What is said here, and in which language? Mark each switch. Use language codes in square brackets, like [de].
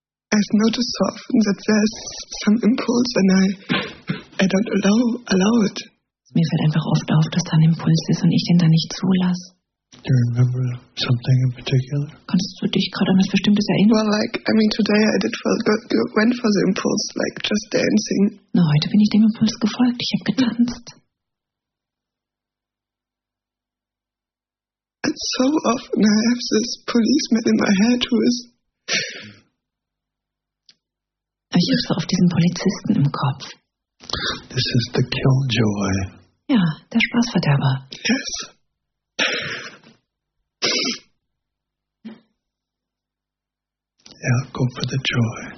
[en] I've noticed so often that there's some impulse when I don't allow it. [de] Mir fällt einfach oft auf, dass da ein Impuls ist und ich den da nicht zulasse. [en] Do you remember something in particular? [de] Kannst du dich gerade an etwas Bestimmtes erinnern? [en] Well, like, I mean, today I did went for the impulse, like just dancing. [de] Na, heute bin ich dem Impuls gefolgt. Ich habe getanzt. [en] And so often I have this policeman in my head who is. [de] Ich habe so oft diesen Polizisten im Kopf. [en] This is the killjoy. [de] Ja, der Spaßverderber. Yes. [en] Ja, go for the joy.